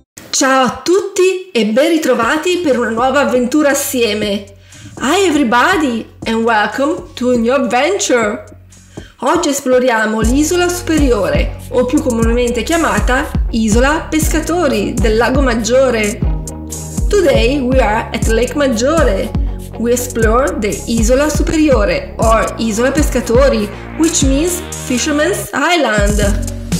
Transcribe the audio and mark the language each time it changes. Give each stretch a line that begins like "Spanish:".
Italian: Ciao a tutti e ben ritrovati per una nuova avventura assieme.
English: Hi everybody and welcome to a new adventure.
Italian: Oggi esploriamo l'Isola Superiore, o più comunemente chiamata Isola Pescatori del Lago Maggiore.
English: Today we are at Lake Maggiore. We explore the Isola Superiore or Isola Pescatori, which means Fisherman's Island.